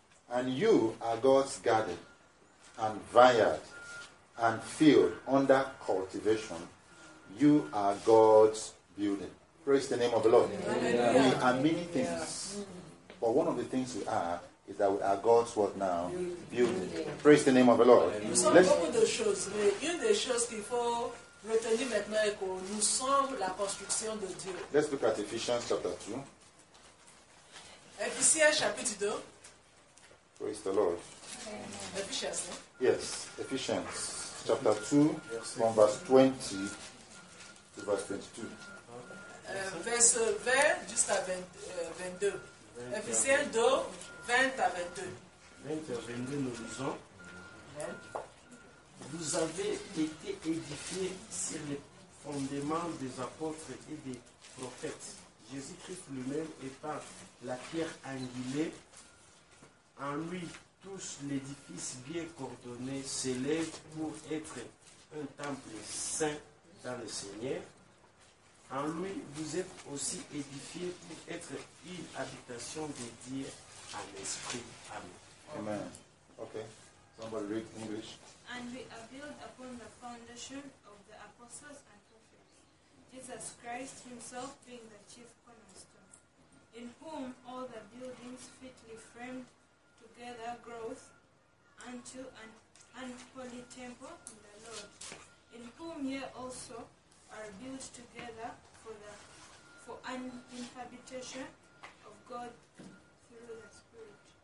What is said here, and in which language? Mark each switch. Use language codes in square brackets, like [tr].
[en] And you are God's garden and vineyard and field under cultivation. You are God's building." Praise the name of the Lord. Amen. We are many things. Yeah. But one of the things we are is that we are God's what now? Building. Praise the name of the Lord. [fr] Nous sommes beaucoup de choses, mais une des choses qu'il faut retenir maintenant est que nous sommes la construction de Dieu. [en] Let's look at Ephesians chapter 2. Ephesians chapter 2. Praise the Lord. Ephesians, no? Yes, Ephesians chapter 2, from verse 20. To verse 22. [fr] Verse 20 jusqu'à 22. Ephésiens 2, 20 à 22. 20 à 22, nous lisons. Vous avez été édifiés sur les fondements des apôtres et des prophètes. Jésus-Christ lui-même étant la pierre angulée. En lui, tous l'édifice bien coordonné s'élève pour être un temple saint dans le Seigneur. En lui, vous êtes aussi édifié pour être une habitation dédiée à l'Esprit. Amen. [en] Amen. Okay. Somebody read English. And we are built upon the foundation of the apostles and prophets, Jesus Christ himself being the chief cornerstone, in whom all the buildings fitly framed together grows unto an holy temple in the Lord, in whom ye also are built together for an inhabitation of God through the Spirit.